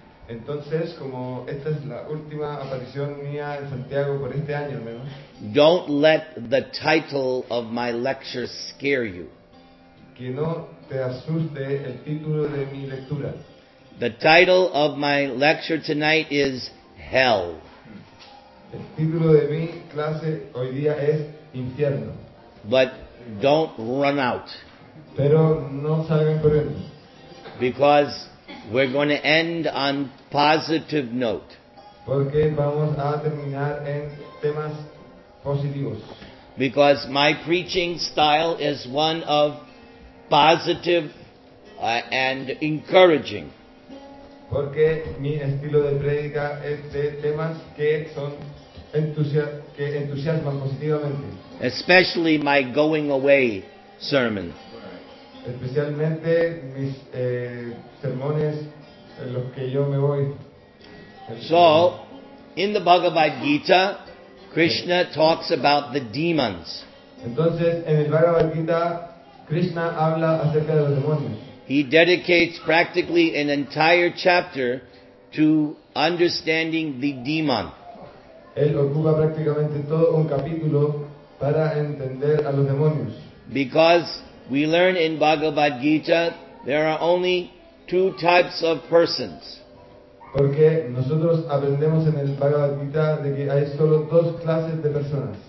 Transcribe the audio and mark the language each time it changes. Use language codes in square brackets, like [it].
[es] entonces, como esta es la última aparición mía en Santiago por este año, ¿no? [en] Don't let the title of my lecture scare you. [es] Que no te asuste el título de mi lectura. [en] The title of my lecture tonight is Hell. [es] El título de mi clase hoy día es Infierno. [en] But don't run out. [es] Pero no salgan corriendo. [en] Because we're going to end on positive note. [es] Porque vamos a terminar en temas positivos. [en] Because my preaching style is one of positive and encouraging. [es] Porque mi estilo de predica es de temas que son que entusiasman positivamente. [en] Especially my going away sermon. [es] Especialmente mis sermones en los que yo me voy. [en] So, in the Bhagavad Gita, Krishna talks about the demons. [es] Entonces, en el Bhagavad Gita, Krishna habla acerca de los demonios. [en] He dedicates practically an entire chapter to understanding the demon. [es] Él ocupa prácticamente todo un capítulo para entender a los demonios. [en] Because we learn in Bhagavad Gita there are only two types of persons. [es] Porque nosotros aprendemos en el Bhagavad Gita de que hay solo dos clases de personas.